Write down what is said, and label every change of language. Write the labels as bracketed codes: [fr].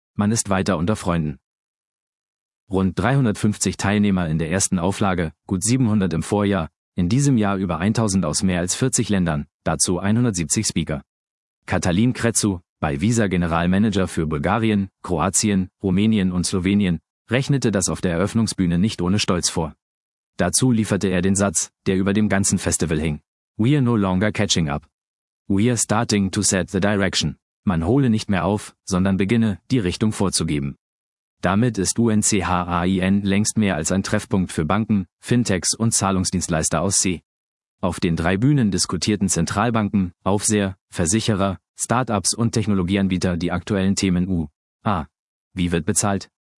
[de] Man ist weiter unter Freunden. Rund 350 Teilnehmer in der ersten Auflage, gut 700 im Vorjahr, in diesem Jahr über 1000 aus mehr als 40 Ländern, dazu 170 Speaker. Katalin Kretzu, bei Visa Generalmanager für Bulgarien, Kroatien, Rumänien und Slowenien, rechnete das auf der Eröffnungsbühne nicht ohne Stolz vor. Dazu lieferte er den Satz, der über dem ganzen Festival hing. [en] We are no longer catching up. We are starting to set the direction. [de] Man hole nicht mehr auf, sondern beginne, die Richtung vorzugeben. Damit ist UNCHAIN längst mehr als ein Treffpunkt für Banken, Fintechs und Zahlungsdienstleister aus CE. Auf den 3 Bühnen diskutierten Zentralbanken, Aufseher, Versicherer, Startups und Technologieanbieter die aktuellen Themen Wie wird bezahlt?